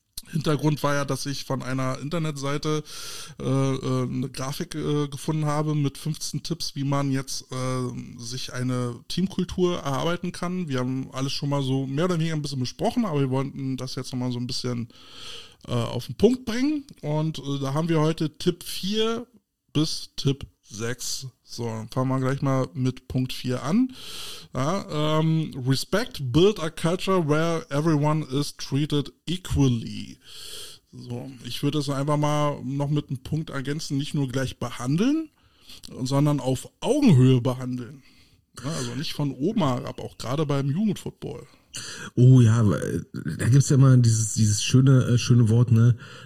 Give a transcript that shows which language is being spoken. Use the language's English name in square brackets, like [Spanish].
[German] Hintergrund war ja, dass ich von einer Internetseite eine Grafik gefunden habe mit 15 Tipps, wie man jetzt sich eine Teamkultur erarbeiten kann. Wir haben alles schon mal so mehr oder weniger ein bisschen besprochen, aber wir wollten das jetzt nochmal so ein bisschen auf den Punkt bringen. Und da haben wir heute Tipp 4 bis Tipp 6. So, dann fangen wir gleich mal mit Punkt 4 an. [English] Ja, respect, build a culture where everyone is treated equally. [German] So, ich würde das einfach mal noch mit einem Punkt ergänzen, nicht nur gleich behandeln, sondern auf Augenhöhe behandeln. Ja, also nicht von oben herab, auch gerade beim Jugendfootball. Oh ja, da gibt es ja immer dieses schöne Wort, ne?